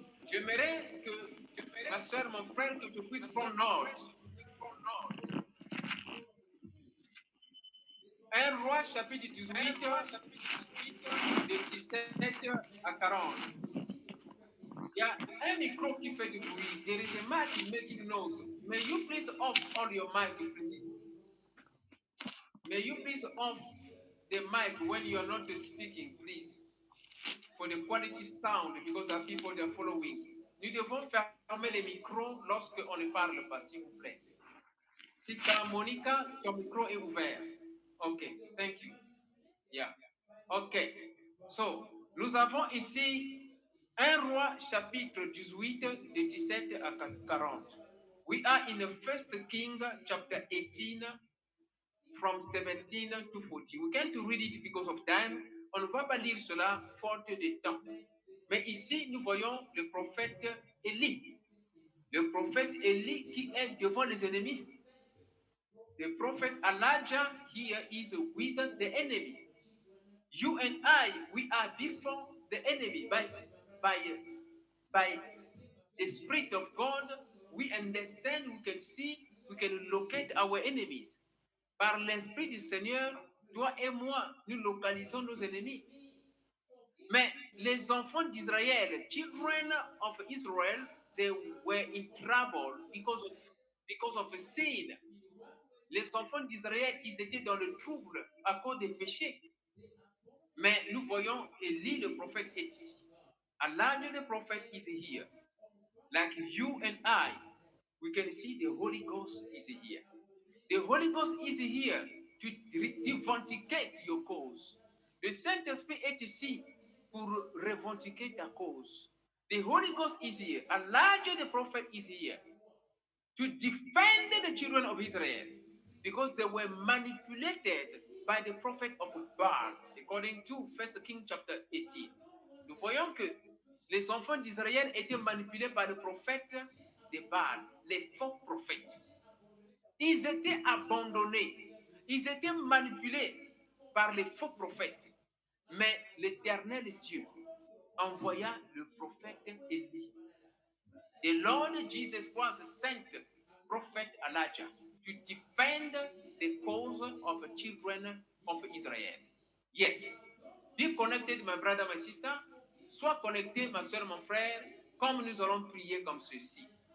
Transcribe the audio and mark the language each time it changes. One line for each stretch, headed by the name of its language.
French: J'aimerais que ma soeur, mon frère, que tu puisses prendre note. 1 Roi chapitre 18, de 17 à 40. Il y a un micro qui fait du bruit.
English: There is a mic making noise. May you please off all your mic, please? May you please off the mic when you are not speaking, please, for the quality sound, because the people they are following.
French: Nous devons fermer les micros lorsque on ne parle pas, s'il vous plaît. Sister Monica, ton micro est ouvert.
English: OK, thank you. Yeah. OK.
French: So, nous avons ici 1 Roi, chapitre 18, de 17 à 40.
English: We are in the First King, chapter 18. From 17 to 40. We can't read it because of time.
French: On ne va pas lire cela faute de temps. Mais ici, nous voyons le prophète Élie. Le prophète Élie qui est devant les ennemis.
English: The prophet Elijah here is with the enemy. You and I, we are before the enemy. By the Spirit of God, we understand, we can see, we can locate our enemies.
French: Par l'Esprit du Seigneur, toi et moi, nous localisons nos ennemis. Mais les enfants d'Israël,
English: children of Israel, they were in trouble because of sin.
French: Les enfants d'Israël, ils étaient dans le trouble à cause des péchés. Mais nous voyons Élie, le prophète, est ici.
English: Elijah, the prophet, is here. Like you and I. we can see the Holy Ghost is here. The Holy Ghost is here to revendicate your cause.
French: The Saint-Esprit est ici pour revendiquer ta cause.
English: The Holy Ghost is here. Elijah the prophet is here to defend the children of Israel because they were manipulated by the prophet of Baal, according to 1 Kings chapter 18.
French: Nous voyons que les enfants d'Israël étaient manipulés par le prophète de Baal, les faux prophètes. Ils étaient abandonnés. Ils étaient manipulés par les faux prophètes. Mais l'Éternel Dieu envoya le prophète Élie.
English: The Lord Jesus was sent prophet Elijah to defend the cause of the children of Israel. Yes. Be connected, my brother, my sister.
French: Sois connecté, ma soeur, mon frère, comme nous allons prier comme ceci.